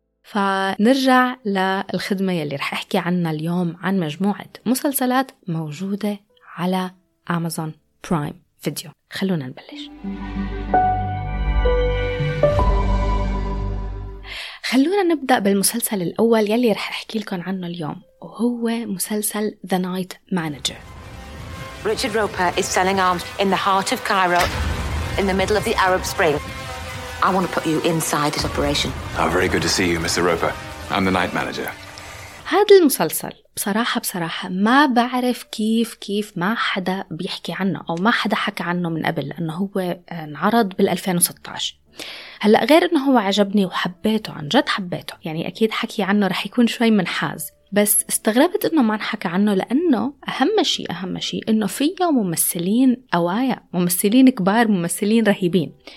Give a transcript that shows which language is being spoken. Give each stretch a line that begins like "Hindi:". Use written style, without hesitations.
Arabic: فنرجع للخدمة يلي رح أحكي عنها اليوم، عن مجموعة مسلسلات موجودة على أمازون برايم فيديو. خلونا نبلش. خلونا نبدأ بالمسلسل الأول يلي رح أحكي لكم عنه اليوم، وهو مسلسل The Night Manager.
English: Richard Roper is selling arms in the heart of Cairo in the middle of the Arab Spring. I want to put you inside this operation. How very good to see you, Mr. Roper. I'm the Night Manager.
Arabic: هذا المسلسل بصراحة ما بعرف كيف ما حدا بيحكي عنه أو ما حدا حكى عنه من قبل، لأنه هو انعرض بال2016. هلأ غير أنه هو عجبني وحبيته، عن جد حبيته، يعني أكيد حكي عنه رح يكون شوي منحاز، بس استغربت أنه ما نحكى عنه لأنه أهم شيء أنه فيه ممثلين أوايا، ممثلين كبار، ممثلين رهيبين.